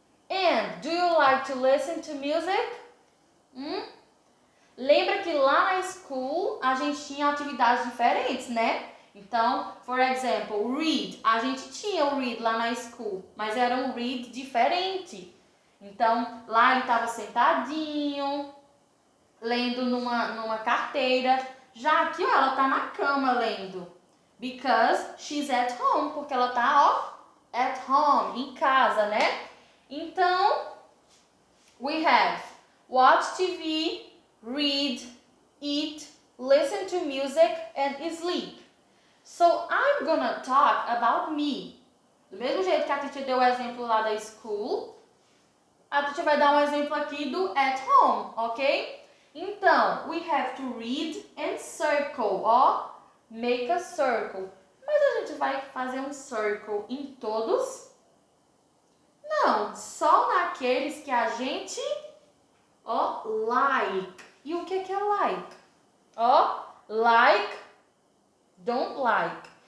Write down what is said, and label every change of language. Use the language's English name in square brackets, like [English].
[English] And do you like to listen to music? [Portuguese] Lembra que lá na school a gente tinha atividades diferentes, né? Então, [English] for example, [Portuguese] read. A gente tinha o read lá na school, mas era um read diferente. Então, lá ele estava sentadinho, lendo numa carteira. Já aqui, ó, ela tá na cama lendo. [English] Because she's at home. [Portuguese] Porque ela tá, ó, [English] at home, [Portuguese] em casa, né? [English] Então, we have watch TV, read, eat, listen to music and sleep. So I'm gonna talk about me. Do mesmo jeito que a Titi deu o exemplo lá da school, a Titi vai dar um exemplo aqui do at home, ok? Então, we have to read and circle, ó. Make a circle. [Portuguese] Mas a gente vai fazer um circle em todos? Não, só naqueles que a gente, ó, like. E o que é like? Ó, like, [English] don't like.